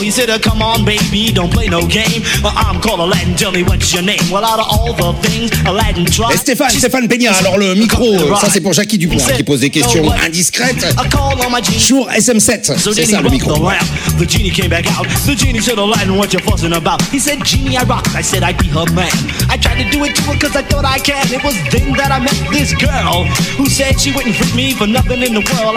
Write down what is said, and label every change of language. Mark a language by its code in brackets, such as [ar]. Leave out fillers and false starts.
[en] Said, come on, baby, don't play no game. I'm called Aladdin, tell me what's your name. Well, out of all the things Aladdin tried. [fr] Et Stéphane Peña, alors le micro, ça c'est pour Jackie Dupont, hein, qui pose des questions indiscrètes. Jour SM7, c'est ça le micro. [en] The genie came back out. The genie said, Aladdin, what you fussing about? He said, genie, I rocked. I said, I'd be her man. I tried to do it to her because I thought I can. It was then that I met this girl who said she wouldn't freak me for nothing in the world.